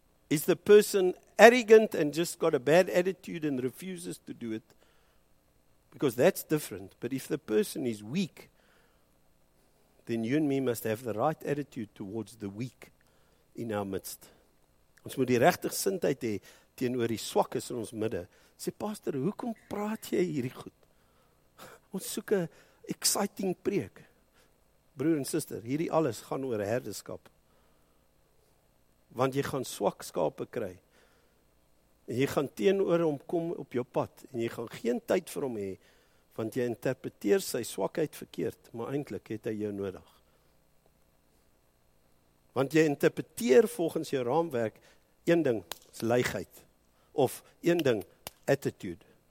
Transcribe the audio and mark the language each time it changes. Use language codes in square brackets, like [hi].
[en] Is the person arrogant and just got a bad attitude and refuses to do it? Because that's different. But if the person is weak, then you and me must have the right attitude towards the weak in our midst. [af] Ons moet die regte gesindheid hê teenoor die swakkes in ons midde. Sê pastor, hoekom praat jy hierdie goed? Ons soek 'n exciting preek. Broer en suster, hierdie alles gaan oor herdeskap. Want jy gaan swak skape kry. En jy gaan teenoor hom kom op jou pad en jy gaan geen tyd vir hom hê want jy interpreteer sy swakheid verkeerd, maar eintlik het hy jou nodig. Want jy interpreteer volgens jou raamwerk een ding, is leigheid of een ding, attitude.